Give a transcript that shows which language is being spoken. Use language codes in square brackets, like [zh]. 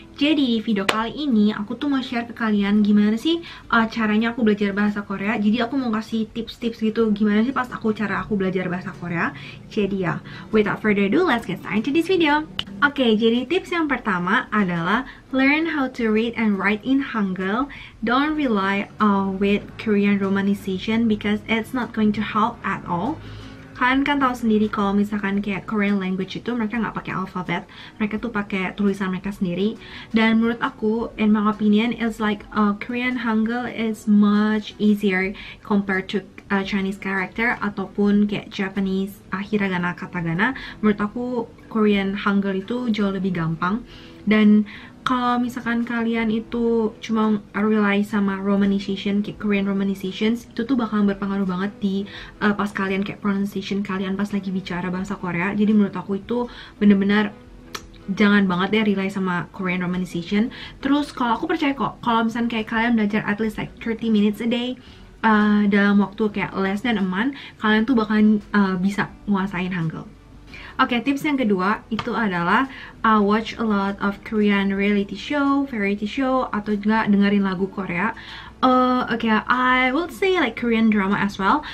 [id] Jadi di video kali ini aku tuh mau share ke kalian gimana sih caranya aku belajar bahasa Korea. Jadi aku mau kasih tips-tips gitu gimana sih pas aku cara aku belajar bahasa Korea. Jadi ya, [en] without further ado, let's get started to this video. [id] Oke, jadi tips yang pertama adalah [en] learn how to read and write in Hangul. Don't rely with Korean romanization because it's not going to help at all. [id] Kalian kan tahu sendiri kalau misalkan kayak Korean language itu mereka nggak pakai alfabet, mereka tuh pakai tulisan mereka sendiri. Dan menurut aku, [en] in my opinion, it's like Korean Hangul is much easier compared to Chinese character [id] ataupun kayak [en] Japanese hiragana katagana. [id] Menurut aku Korean Hangul itu jauh lebih gampang. Dan kalau misalkan kalian itu cuma rely sama romanization, kayak Korean romanizations, itu tuh bakal berpengaruh banget di pas kalian kayak pronunciation kalian pas lagi bicara bahasa Korea. Jadi menurut aku itu benar-benar jangan banget deh rely sama Korean romanization. Terus kalau aku percaya kok, kalau misalkan kayak kalian belajar [en] at least like 30 minutes a day [id] dalam waktu kayak [en] less than a month, [id] kalian tuh bakal bisa nguasain Hangul. Oke, tips yang kedua itu adalah [en] watch a lot of Korean reality show, variety show, [id] atau juga dengerin lagu Korea. [en] Okay, I would say like Korean drama as well.